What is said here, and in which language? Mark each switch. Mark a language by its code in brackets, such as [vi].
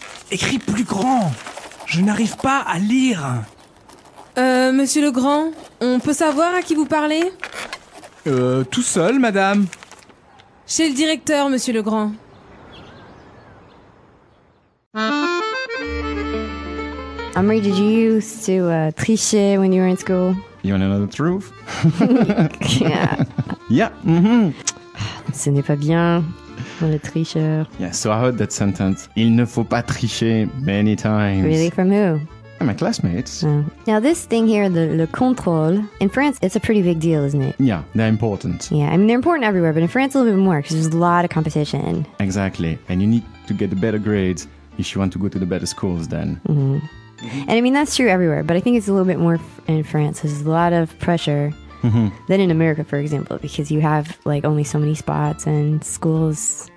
[fr] Écris plus grand, je n'arrive pas à lire. Monsieur Legrand, on peut savoir à qui vous parlez ? Tout seul, madame. Chez le directeur, monsieur Legrand. [en] Amri, did you used to tricher when you were in school? You want another truth? Yeah. Yeah. Mm-hmm. [fr] Ce n'est pas bien, le tricheur. [en] Yeah, so I heard that sentence. [fr] Il ne faut pas tricher [en] many times. Really, from who? My classmates. Now this thing here, le contrôle, in France, it's a pretty big deal, isn't it? Yeah, they're important. Yeah, I mean, they're important everywhere, but in France a little bit more, because there's a lot of competition. Exactly, and you need to get the better grades if you want to go to the better schools then. Mm-hmm. And I mean, that's true everywhere, but I think it's a little bit more in France. There's a lot of pressure than in America, for example, because you have like only so many spots and schools.